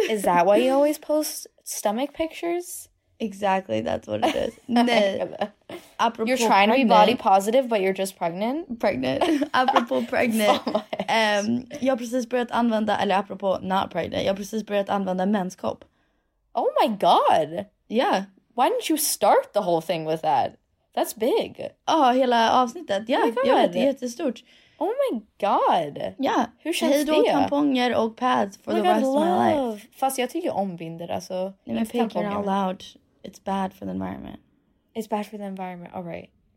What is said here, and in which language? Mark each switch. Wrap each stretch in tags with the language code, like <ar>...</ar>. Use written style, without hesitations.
<en>Is that why you always post stomach pictures? Exactly, that's what it is. Nej. Apropå you're trying pregnant. To be body positive, but you're just pregnant. Pregnant. Apropå pregnant.</en> <sv>jag precis börjat använda, eller apropå</sv> <en>not pregnant,</en> <sv>jag precis börjat använda menskopp.</sv> <en>Oh my god. Yeah. Why didn't you start the whole thing with that? That's big.</en> <sv>Oh, hela avsnittet. Yeah, oh det är jättestort.</sv> <en>Oh my god. Yeah.</en> <sv>Hur känns det? Hejdå tamponger och pads</sv> <en>for the rest of my life.</en> <sv>Fast jag tycker om binder, alltså. Nej, men</sv> <en>pick it all out. It's bad for the environment. It's bad for the environment, all right.</en>